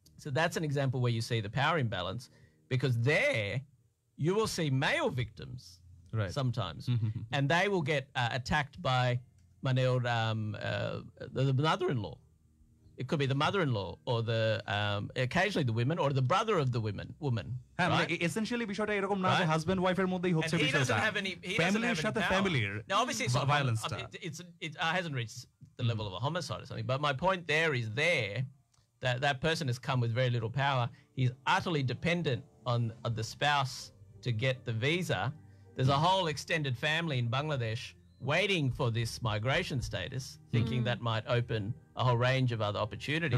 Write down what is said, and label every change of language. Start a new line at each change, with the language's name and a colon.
English: So that's an example where you see the power imbalance, because there you will see male victims sometimes. And they will get attacked by the mother-in-law. It could be the mother-in-law or the occasionally the women or the brother of the woman. Essentially,
Bangla: বিষয়টা এরকম না যে husband ওয়াইফের মধ্যেই হচ্ছে বিষয়টা, ফ্যামিলির সাথে ফ্যামিলির
English: violence-টা. It hasn't reached the level of a homicide or something. But my point there is that person has come with very little power. He's utterly dependent on the spouse to get the visa. There's a whole extended family in Bangladesh waiting for this migration status, thinking that might open a whole range of other opportunities.